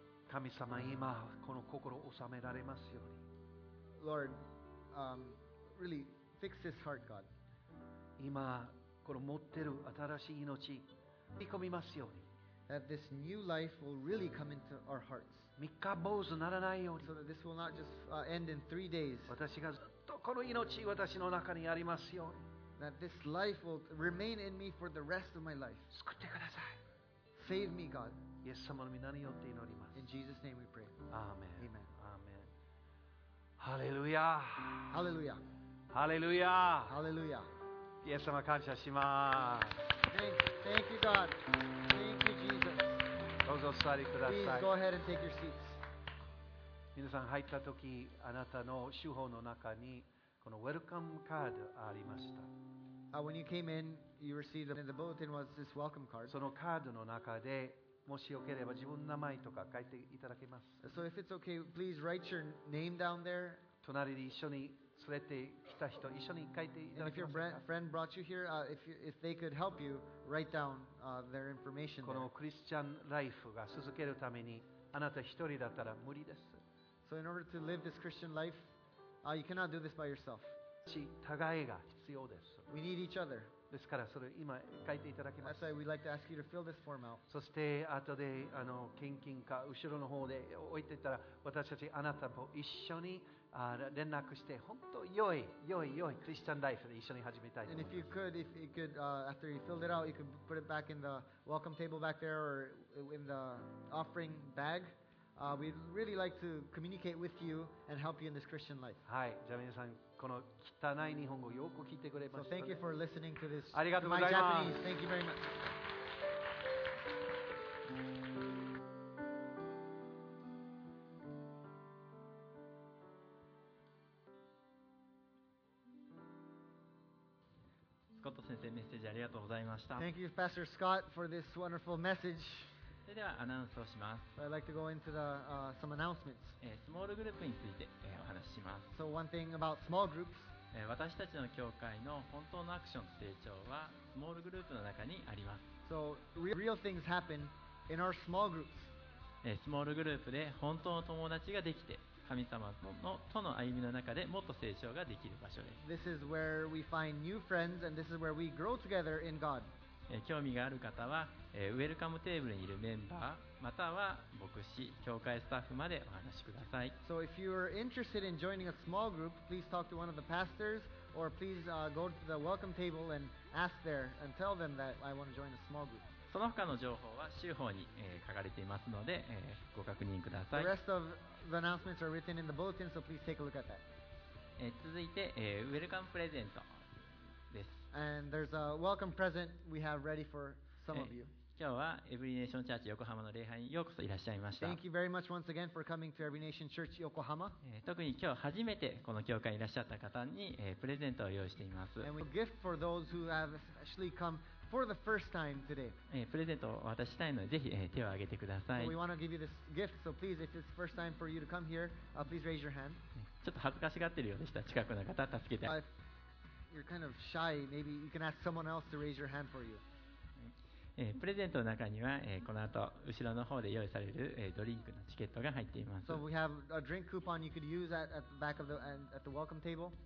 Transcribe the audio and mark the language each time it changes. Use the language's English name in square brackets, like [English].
[Japanese] 神様、今この心を収められますように。 [English] Lord, really fix this heart, God. [Japanese] 今この持ってる新しい命、飛び込みますように。 [English] That this new life will really come into our hearts. [Japanese] 三日坊主ならないように。 [English] So that this will not just end in three days. [Japanese] 私がずっとこの命私の中にありますように。 [English] That this life will remain in me for the rest of my life. [Japanese] 救ってください。 [English] Save me, God. [Japanese] イエス様の皆によって祈ります。 [English] In Jesus' name we pray. Amen. Amen. Amen. Hallelujah. Hallelujah. Hallelujah. Hallelujah. [Japanese] イエス様感謝します。 [English] Thank you, God. Thank you, Jesus. [Japanese] どうぞお座りください。 [English] Please go ahead and take your seats. [Japanese] 皆さん入った時、あなたの手法の中に。このウェルカムカードありました。 [English] When you came in, you received the bulletin was this welcome card. [Japanese] そのカードの中でもしよければ自分の名前とか書いていただけます。 [English] So if it's okay, please write your name down there. [Japanese] 隣で一緒に連れてきた人、一緒に書いていただけますか。 [English] And if your friend brought you here, if they could help you, write down their information. [Japanese] このクリスチャンライフが続けるためにあなた一人だったら無理です。 [English] So in order to live this Christian life, you cannot do this by yourself. [Japanese] 互いが必要です。 [English] We need each other. [Japanese] ですからそれ今書いていただけます。 [English] That's why we'd like to ask you to fill this form out. [Japanese] そして後で献金か後ろの方で置いていったら私たちあなたと一緒に連絡して本当良い良い良いクリスチャンライフで一緒に始めたいと思います。 [English] And if you could, after you filled it out, you could put it back in the welcome table back there or in the offering bag. We'd really like to communicate with you and help you in this Christian life. [Japanese] はい、じゃあ皆さん。この汚い日本語をよく聞いてくれました、 [English] ね。So、thank you for listening to this. [Japanese] ありがとうございます。 [English] Thank you very much. [Japanese] スコット先生、メッセージありがとうございました。 [English] Thank you, Pastor Scott, for this wonderful message. [Japanese] それではアナウンスをします。 [English] I'd like to go into the, some announcements. [Japanese] スモールグループについて、お話しします。 [English] So one thing about small groups. [Japanese] 私たちの教会の本当のアクションの成長はスモールグループの中にあります。 [English] So real things happen in our small groups. [Japanese] スモールグループで本当の友達ができて、神様のとの歩みの中でもっと成長ができる場所です。 [English] This is where we find new friends and this is where we grow together in God. [Japanese] 興味がある方は、ウェルカムテーブルにいるメンバーまたは牧師、教会スタッフまでお話しください。 [English] So if you are interested in joining a small group, please talk to one of the pastors or please go to the welcome table and ask there and tell them that I want to join a small group. [Japanese] その他の情報は週報に、書かれていますので、ご確認ください。 [English] The rest of the announcements are written in the bulletin, so please take a look at that. [Japanese] 続いて、ウェルカムプレゼントです。 [English] And there's a welcome present we have ready for some of you. [Japanese] 今日はエブリネーションチャーチ横浜の礼拝にようこそいらっしゃいました。 [English] Thank you very much once again for coming to Every Nation Church Yokohama. [Japanese] 特に今日初めてこの教会にいらっしゃった方に、プレゼントを用意しています。 [English] And we have a gift for those who have especially come for the first time today. [Japanese] プレゼントを渡したいのでぜひ、手を挙げてください。 [English] We want to give you this gift, so please, if it's the first time for you to come here, please raise your hand. [Japanese] ちょっと恥ずかしがってるようでした。近くの方助けて。 [English] You're kind of shy. Maybe you can ask someone else to raise your hand for you. [Japanese] プレゼントの中には、この後後ろの方で用意される、ドリンクのチケットが入っています。 [English] So we have a drink coupon you could use at the back of the and at the welcome table.